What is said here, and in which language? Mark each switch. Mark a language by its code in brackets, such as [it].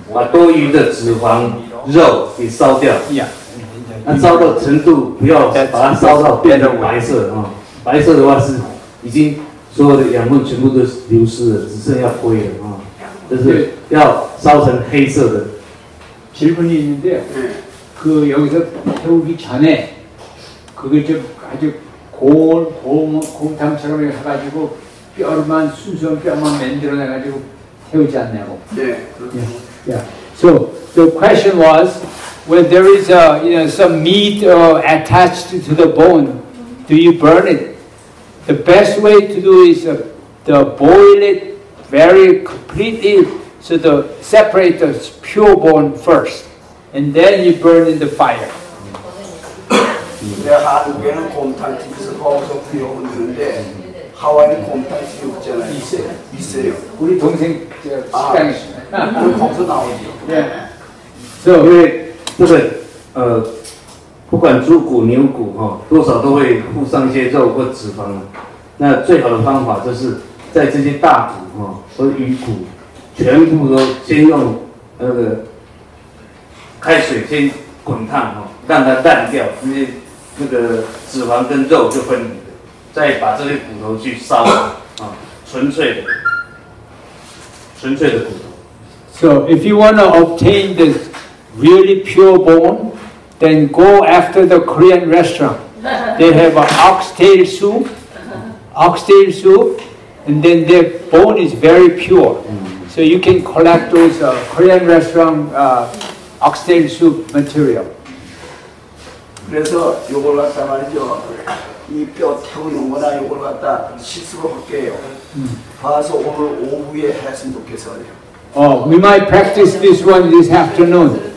[zh] 那所有的骨头哈，不管是那个猪骨、牛骨或者鱼骨，都要透过把它烧，烧过，然后会被炭一样，把多余的脂肪。肉给烧掉，那烧到程度不要把它烧到变成白色啊，白色的话是已经所有的养分全部都流失了，只剩下灰了啊，就是要烧成黑色的。 [ko] 질문이 있는데, 그 여기서 태우기 전에 그게 좀 아주 곰탕처럼 해가지고 뼈만 순수한 뼈만 만들어내가지고 태우지 않냐고. 네. [en] So the question was, when there is some meat attached to the bone, do you burn it? The best way to do is to boil it very completely, so to separate the pure bone first, and then you burn in the fire. [ko] 내가 한국에는 곰탕 집에서 거기서 비워오는데 하와이 곰탕 집이 없잖아요. 있어요. 우리 동생 식당이시네. [zh] 不管猪骨、牛骨，多少都会附上一些肉或脂肪。那最好的方法就是在这些大骨和鱼骨，全部都先用开水先滚烫，让它淡掉，那些脂肪跟肉就分离，再把这些骨头去烧，纯粹的。 [en] So if you want to obtain this really pure bone, then go after the Korean restaurant. They have an oxtail soup, and then their bone is very pure. So you can collect those Korean restaurant oxtail soup material. [ko] 그래서 요걸 갖다 말이죠. 이 뼈 태우는 거나 요걸 갖다 시술을 할게요. 봐서 오늘 오후에 했으면 좋겠어요. [en] Oh, we might practice this one this afternoon.